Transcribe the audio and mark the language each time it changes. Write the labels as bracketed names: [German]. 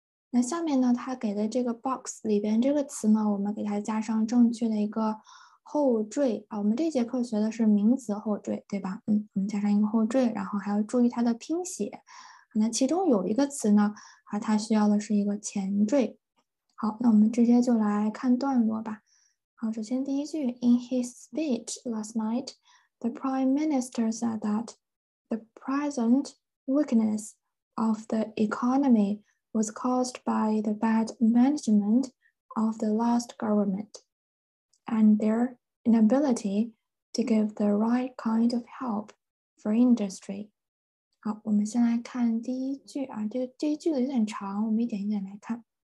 [Chinese] 那下面呢，它给的这个 box 里边这个词呢，我们给它加上正确的一个后缀啊。我们这节课学的是名词后缀，对吧？我们加上一个后缀，然后还要注意它的拼写。那其中有一个词呢，啊，它需要的是一个前缀。好，那我们直接就来看段落吧。好，首先第一句， [English] In his speech last night, the prime minister said that the present weakness of the economy was caused by the bad management of the last government and their inability to give the right kind of help for industry. [Chinese] 好，我们先来看第一句啊，这一句子有点长，我们一点一点来看。